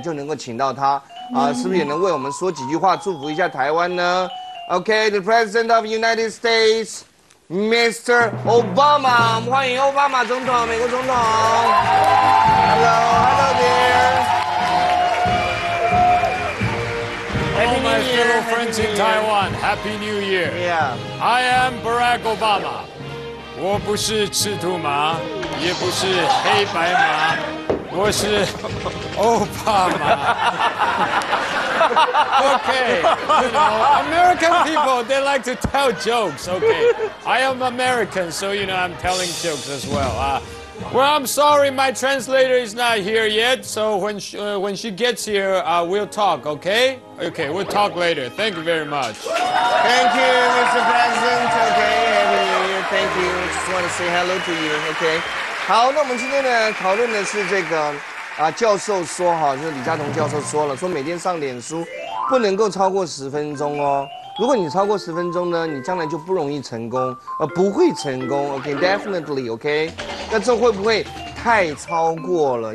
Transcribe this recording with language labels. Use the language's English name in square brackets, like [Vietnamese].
[Chinese] 就能够请到他啊，是不是也能为我们说几句话，祝福一下台湾呢 ？OK， [English] the President of United States， Mr. [Chinese] Obama， 我们欢迎奥巴马总统，美国总统。 [English] Hello， hello there。 My fellow friends in Taiwan, Happy New Year. Yeah. I am Barack Obama. [Chinese] 我不是赤兔马，也不是黑白马，我是奥巴马。 [English] Okay. You know, American people, they like to tell jokes. Okay. I am American, so you know I'm telling jokes as well. Well, I'm sorry, my translator is not here yet. So when she gets here, we'll talk. Okay? Okay, we'll talk later. Thank you very much. Thank you, Mr. President. Okay, Happy New Year. Thank you. Just want to say hello to you. Okay. [Chinese] 好，那我们今天呢讨论的是这个啊，教授说哈，就是李嘉彤教授说了，说每天上脸书不能够超过十分钟哦。如果你超过十分钟呢，你将来就不容易成功，不会成功。 [English] OK， definitely， OK。 [Chinese] 那这会不会太超过了？